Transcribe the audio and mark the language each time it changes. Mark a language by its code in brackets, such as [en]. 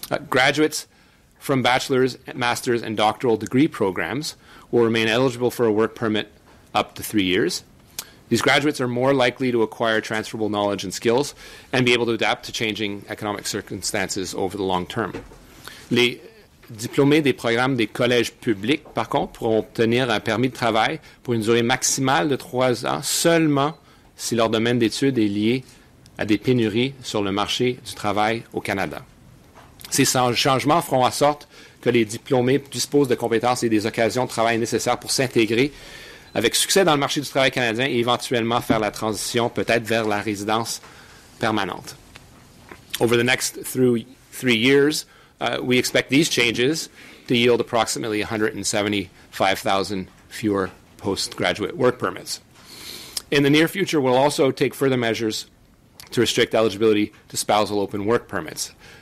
[en] Graduates from bachelor's, master's, and doctoral degree programs will remain eligible for a work permit up to 3 years. These graduates are more likely to acquire transferable knowledge and skills and be able to adapt to changing economic circumstances over the long term. [fr] Les diplômés des programmes des collèges publics, par contre, pourront obtenir un permis de travail pour une durée maximale de 3 ans seulement si leur domaine d'études est lié à des pénuries sur le marché du travail au Canada. Ces changements feront en sorte que les diplômés disposent de compétences et des occasions de travail nécessaires pour s'intégrer avec succès dans le marché du travail canadien et éventuellement faire la transition peut-être vers la résidence permanente. [en] Over the next three years, we expect these changes to yield approximately 175,000 fewer postgraduate work permits. In the near future, we'll also take further measures to restrict eligibility to spousal open work permits.